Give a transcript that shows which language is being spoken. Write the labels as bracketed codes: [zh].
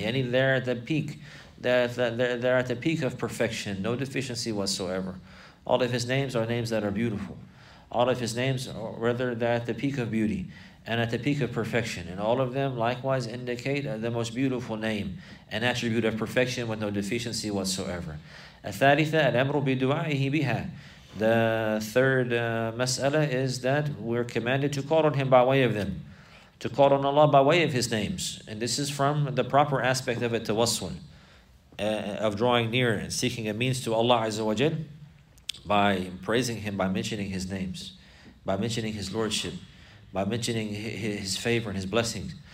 [en] Yani they're at the peak. They're at the peak of perfection, no deficiency whatsoever. All of his names are names that are beautiful. All of his names, they're at the peak of beauty and at the peak of perfection. And all of them likewise indicate the most beautiful name, an attribute of perfection with no deficiency whatsoever. [ar] الثالثة الأمر بدعائه بها. [en] The third mas'ala is that we're commanded to call on him by way of them, to call on Allah by way of his names. And this is from the proper aspect of it, tawassul, of drawing near and seeking a means to Allah Azza wa Jal by praising him, by mentioning his names, by mentioning his lordship, by mentioning his favor and his blessings.